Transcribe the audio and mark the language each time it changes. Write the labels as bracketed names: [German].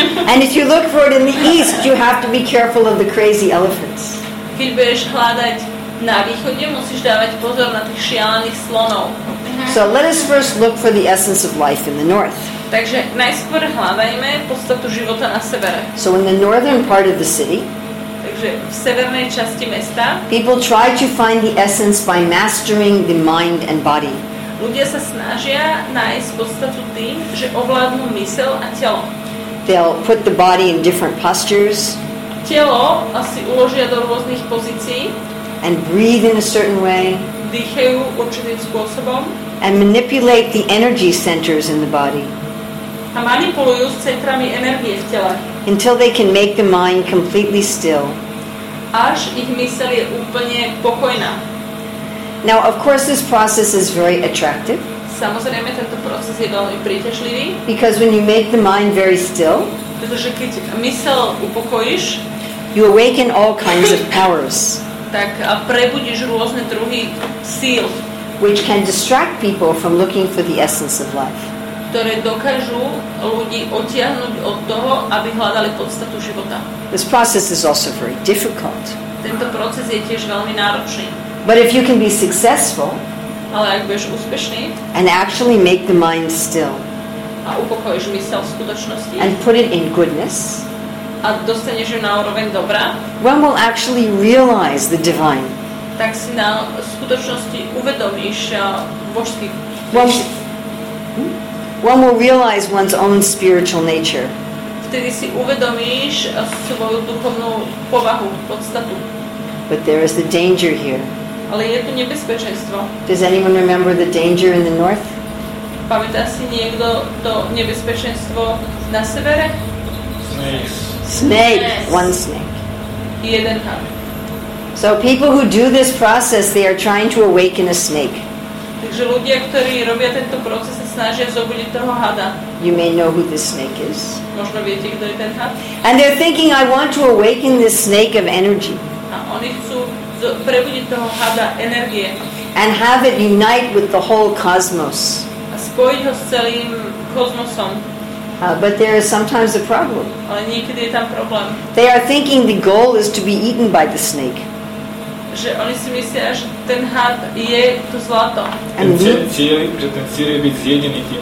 [English] And if you look for it in the east, you have to be careful of the crazy elephants. [Slovak] Keď budeš hľadať na východe, musíš dávať pozor na tých šialených slonov. [English] So let us first look for the essence of life in the north. [Slovak] Takže najskôr hľadajme podstatu života na severe. [English] So in the northern part of the city, [Slovak] takže v severnej časti mesta, [English] people try to find the essence by mastering the mind and body. [Slovak] Ľudia sa snažia nájsť podstatu tým, že ovládnu myseľ a telo. [English] They'll put the body in different postures. [Slovak] Telo asi uložia do rôznych pozícií. [English] And breathe in a certain way. [Slovak] Dýchajú určitým spôsobom. [English] And manipulate the energy centers in the body. [Slovak] A manipulujú s centrami energie v tele. [English] Until they can make the mind completely still. [Slovak] Až ich myseľ je úplne pokojná. [English] Now, of course, this process is very attractive. [Slovak] Samozrejme, tento proces je veľmi príťažlivý. [English] Because when you make the mind very still, [Slovak] pretože keď mysel upokojíš, [English] you awaken all kinds of powers. [Slovak] Tak prebudíš rôzne druhy síl, [English] which can distract people from looking for the essence of life. [Slovak] Ktoré dokážu ľudí odtiahnuť od toho, aby hľadali podstatu života. [English] This process is also very difficult. [Slovak] Tento proces je tiež veľmi náročný. [English] But if you can be successful, [Slovak] ale ak budeš úspešný, [English] and actually make the mind still, [Slovak] a upokojíš mysel v skutočnosti, [English] and put it in goodness, [Slovak] a dostaneš ju na úroveň dobra, [English] one will actually realize the divine. [Slovak] Tak si na skutočnosti uvedomíš božský. [English] One will realize one's own spiritual nature. [Slovak] Vtedy si uvedomíš svoju duchovnú povahu, podstatu. [English] But there is the danger here. [Slovak] Ale je to nebezpečenstvo. [English] Does anyone remember the danger in the north? [Slovak] Pamätá si niekto to nebezpečenstvo na severe? [English] Snake. One snake. [Slovak] Jeden had. [English] So people who do this process, they are trying to awaken a snake. [Slovak] Takže ľudia, ktorí robia tento proces, sa snažia zobudiť toho hada. [English] You may know who this snake is. [Slovak] Možno viete, kto je ten had. [English] And they're thinking, I want to awaken this snake of energy. [Slovak] A oni chcú prebudiť toho hada energie. [English] And have it unite with the whole cosmos. [Slovak] A spojiť ho s celým kosmosom. [English] But there is sometimes a problem. [Slovak] Ale niekedy je tam problém. [English] They are thinking the goal is to be eaten by the snake. [Slovak] Že oni si myslia, že ten had je to zlato. [English] And [Slovak] ten cieľ je byť zjedený tým